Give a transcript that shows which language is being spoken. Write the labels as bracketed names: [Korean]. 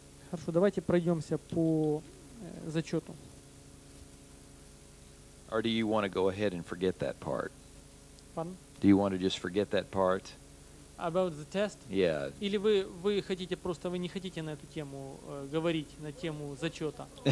[Russian] Хорошо, давайте пройдемся по зачету. [English] Or do you want to go ahead and forget that part? Pardon? Do you want to just forget that part? About the test? Yeah. [Russian] Или вы хотите просто вы не хотите на эту тему говорить на тему зачета?